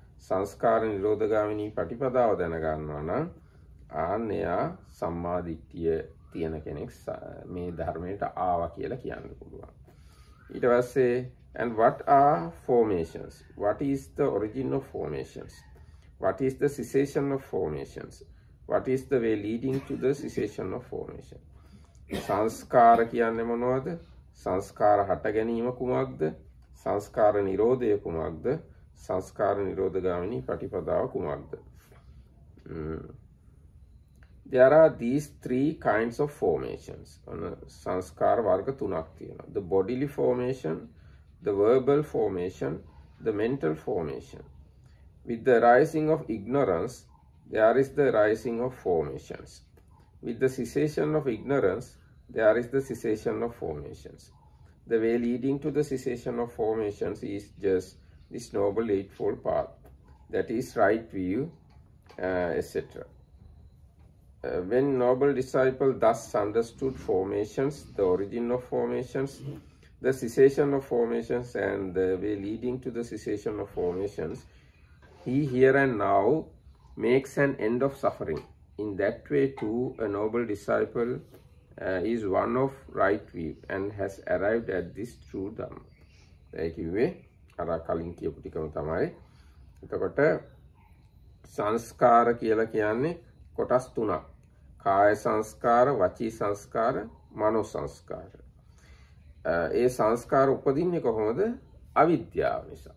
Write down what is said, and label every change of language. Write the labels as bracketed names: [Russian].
[Sinhala] සංස්කාර නිරෝධගාමිනී පටිපදාව දැනගන්නවා නම් ආන්නයා සම්මාදිට්ඨිය තියෙන කෙනෙක් මේ ධර්මයට ආවා කියලා කියන්න පුළුවන්. ඊට පස්සේ [English] and what are formations? What is the origin of formations? What is the cessation of formations? What is the way leading to the cessation of formation? [Sinhala] සංස්කාර කියන්නේ මොනවද? සංස්කාර හට ගැනීම කුමක්ද? සංස්කාර නිරෝධය කුමක්ද? සංස්කාර නිරෝධ ගාමිනී ප්‍රතිපදාව කුමක්ද? [English] There are these three kinds of formations. [Sinhala] සංස්කාර වර්ග තුනක් තියෙනවා. [English] The bodily formation, the verbal formation, the mental formation. With the rising of ignorance, there is the rising of formations. With the cessation of ignorance, there is the cessation of formations. The way leading to the cessation of formations is just this Noble Eightfold Path, that is right view, etc. When noble disciple thus understood formations, the origin of formations, the cessation of formations, and the way leading to the cessation of formations, he here and now makes an end of suffering. In that way too, a noble disciple is one of right view and has arrived at this true Dhamma. [Sinhala] ඒ කිව්වේ අර කලින් කියපු ටිකම තමයි. එතකොට සංස්කාර කියලා කියන්නේ කොටස් තුනක්. කාය සංස්කාර, වචී සංස්කාර, මනෝ සංස්කාර. ඒ සංස්කාර උපදින්නේ කොහොමද? අවිද්‍යාව නිසා.